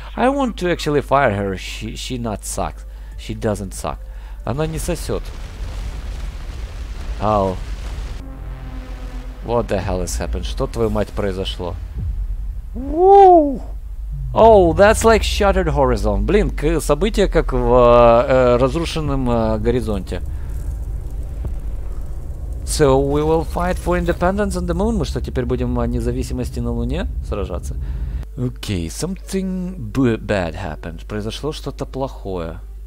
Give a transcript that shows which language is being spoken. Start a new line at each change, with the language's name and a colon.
English: I want to actually fire her. She not sucks. She doesn't suck.
Russian: Она не сосет.
English: Ow. What the hell has happened?
Russian: Что, твою мать, произошло?
English: Woo! Oh, that's like shattered horizon.
Russian: Блин, события как в разрушенном горизонте.
English: So we will fight for independence on the moon.
Russian: Мы что, теперь будем о независимости на Луне сражаться?
English: Okay, something bad happened.
Russian: Произошло что-то плохое.